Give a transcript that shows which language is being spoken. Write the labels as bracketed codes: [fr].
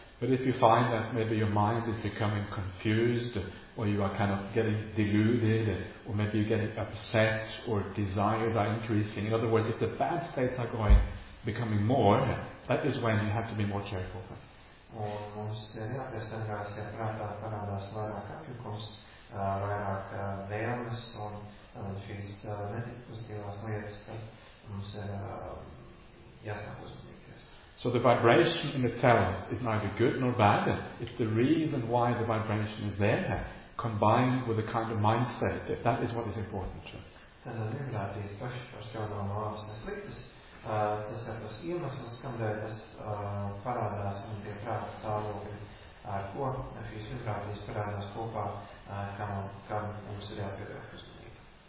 [en] But if you find that maybe your mind is becoming confused, or you are kind of getting deluded, or maybe you're getting upset, or desires are increasing, in other words, if the bad states are going, becoming more, that is when you have to be more careful. [lv] Un mums ir jāpiesargās, ja prātā parādās vairāk apjukums, vairāk vēlmes un šīs nepozitīvās lietas, tad mums ir jāsāk uzmanīties. [en] So the vibration in itself is neither good nor bad. It's the reason why the vibration is there, combined with the kind of mindset. That is what is important. [lv] Tad vibrācijas paši par sev nav labas un sliktas. Tas ir tas iemesls, kamdēļ tas parādās un tie prāta stāvokļi, ar ko šīs vibrācijas parādās kopā, kam mums ir jāpievērš uzmanība.